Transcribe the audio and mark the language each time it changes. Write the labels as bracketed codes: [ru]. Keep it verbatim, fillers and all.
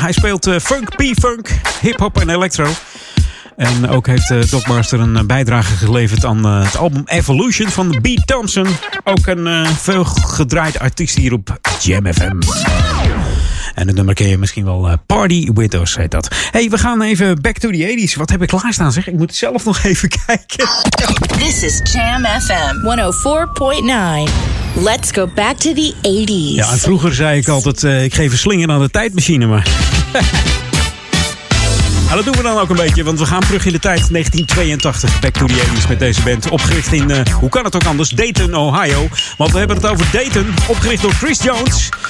[nl] Hij speelt uh, funk, p-funk, hip-hop en electro. En ook heeft uh, Dogmaster een bijdrage geleverd aan uh, het album Evolution van B. Thompson. Ook een uh, veel gedraaid artiest hier op Jam F M. En het nummer ken je misschien wel. Uh, Party Widows heet dat. Hey, we gaan even [en] back to the eighties. [nl] Wat heb ik klaarstaan zeg? Ik moet zelf nog even kijken. [en] This is Jam F M honderdvier komma negen. Let's go back to the eighties. [nl] Ja, en vroeger zei ik altijd, uh, ik geef een slinger aan de tijdmachine, maar... ja, dat doen we dan ook een beetje, want we gaan terug in de tijd. negentien tweeëntachtig, [en] back to the eighties [nl] met deze band. Opgericht in, uh, hoe kan het ook anders, Dayton, Ohio. Want we hebben het over Dayton, opgericht door Chris Jones...